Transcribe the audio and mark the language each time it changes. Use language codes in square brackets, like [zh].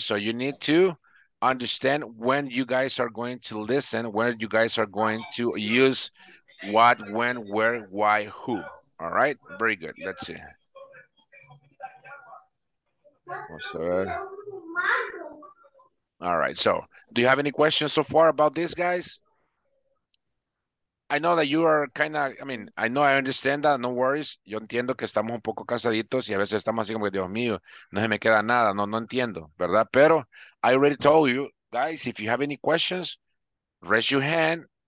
[en] So you need to understand when you guys are going to listen, when you guys are going to use what, when, where, why, who. All right? Very good. Let's see. All right, so do you have any questions so far about this, guys? I know that you are kind of, I know I understand that, no worries. [es] Yo entiendo que estamos un poco cansaditos y a veces estamos así como, Dios mío, no se me queda nada. No, no entiendo, ¿verdad? [en] Pero I already told you, guys, if you have any questions, raise your hand.